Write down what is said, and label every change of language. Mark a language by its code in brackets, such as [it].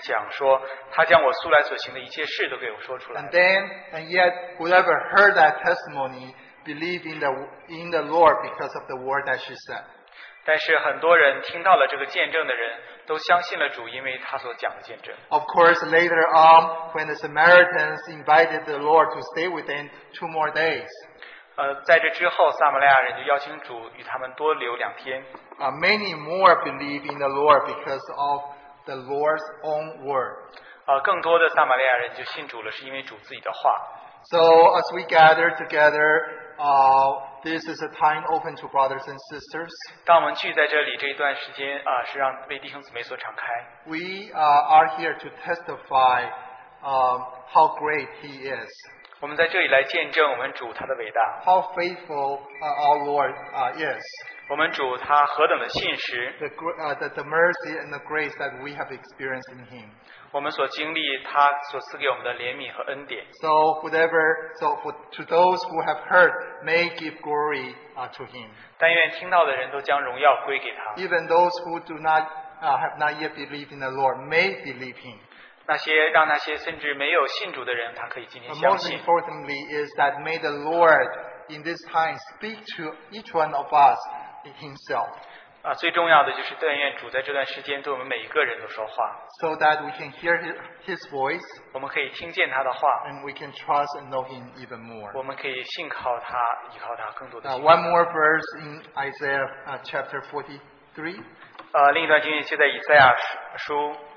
[zh] 这个妇人的见证其实非常简单，她只是讲说，她将我素来所行的一切事都给我说出来。 [en] And yet, whoever heard that testimony believed in the Lord because of the word that she said. [zh] 但是很多人听到了这个见证的人都相信了主，因为他所讲的见证。 [en] Of course, later on, when the Samaritans invited the Lord to stay with them 2 more days, [zh] 在这之后，撒玛利亚人就邀请主与他们多留2天。 [en] Many more believe in the Lord because of the Lord's own word. [zh] 更多的撒玛利亚人就信主了，是因为主自己的话。 [en] So as we gather together, this is a time open to brothers and sisters. [zh] 当我们聚在这里这一段时间，是让为弟兄姊�ei所敞开。 [en] We are here to testify how great He is. [zh] 我们在这里来见证我们主他的伟大。 [en] How faithful our Lord is. [zh] 我们主他何等的信实。 [en] The mercy and the grace that we have experienced in Him. [zh] 我们所经历他所赐给我们的怜悯和恩典。 [en] So to those who have heard, may give glory to Him. [zh] 但愿听到的人都将荣耀归给他。 [en] Even those who do not have not yet believed in the Lord, may believe Him. [zh] 那些甚至没有信主的人，他可以今天相信。 [en] Most importantly is that may the Lord in this time speak to each one of us Himself. [zh] 最重要的就是但愿主在这段时间对我们每一个人都说话。 [en] So that we can hear His voice. [zh] 我们可以听见他的话。 [en] And we can trust and know Him even more. [zh] 我们可以信靠他，依靠他更多的情况。 [en] One more verse in Isaiah chapter 43. [zh] 另一段经文记载以赛亚书